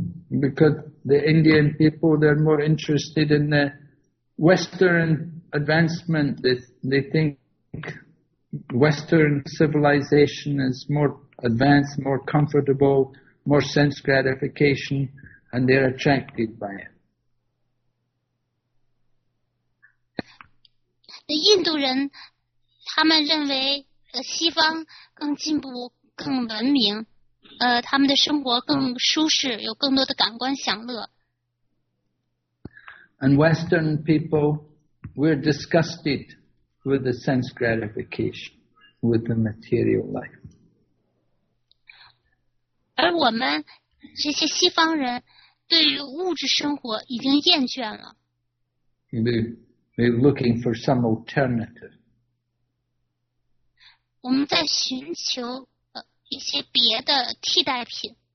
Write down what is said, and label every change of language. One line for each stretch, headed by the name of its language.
English: Because the Indian people, they're more interested in the Western advancement. They think Western civilization is more advanced, more comfortable, more sense gratification, and they're attracted by it.
Chinese: The 印度人，他们认为西方更进步，更文明。他们的生活更舒适，有更多的感官享乐。
English: And Western people, we're disgusted with the sense gratification, with the material life.
Chinese: 而我们这些西方人对于物质生活已经厌倦了。
English: We're looking for some alternative.
Chinese: 我们在寻求一些别的替代品。